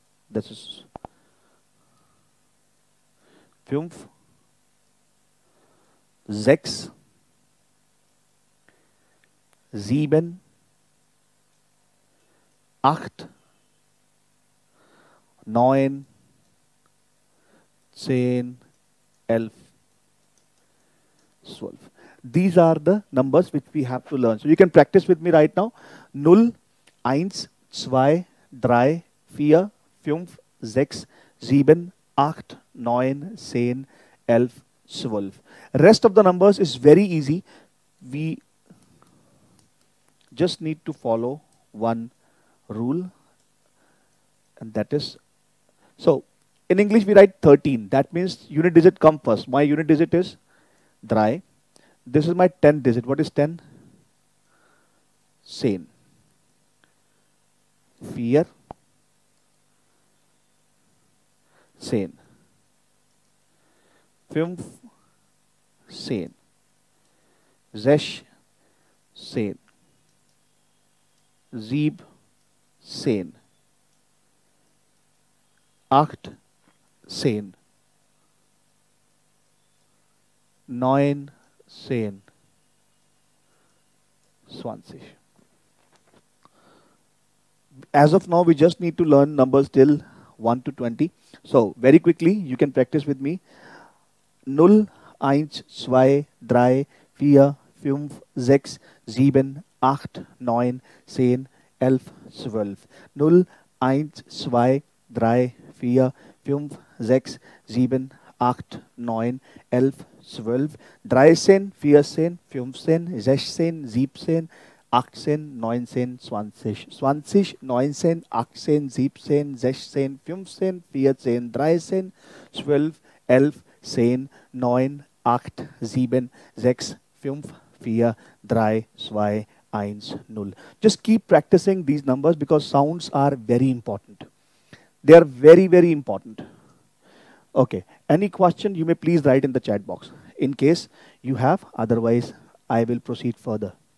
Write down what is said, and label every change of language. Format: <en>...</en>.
<en>This is</en> <de>fünf, sechs, sieben, acht, neun, zehn, elf, zwölf.</de> <en>These are the numbers which we have to learn. So you can practice with me right now.</en> <de>Null, eins, zwei, drei, vier, fünf, sechs, sieben, acht, neun, zehn, elf, zwölf.</de> <en>Rest of the numbers is very easy. We just need to follow one rule, and that is, so in English we write 13, that means unit digit come first. My unit digit is drei. This is my 10th digit. What is 10? Zehn.</en> <de>Vier. Zehn. Fünf. Zehn. Sechs. Zehn. Sieb. Zehn. Acht. Zehn. Neun. Zehn. Zwanzig.</de> <en>As of now, we just need to learn numbers till 1 to 20. So, very quickly, you can practice with me.</en> <de>Null, eins, zwei, drei, vier, fünf, sechs, sieben, acht, neun, zehn, elf, zwölf. Null, eins, zwei, drei, vier, fünf, sechs, sieben, acht, neun, elf, zwölf. Dreizehn, vierzehn, fünfzehn, sechzehn, siebzehn, achtzehn, neunzehn, zwanzig. Zwanzig, neunzehn, achtzehn, siebzehn, sechzehn, fünfzehn, vierzehn, dreizehn, zwölf, elf, zehn, neun, acht, sieben, sechs, fünf, vier, drei, zwei, eins, null.</de> <en>Just keep practicing these numbers because sounds are very important. They are very, very important. Okay. Any question, you may please write in the chat box. In case you have, otherwise, I will proceed further.</en>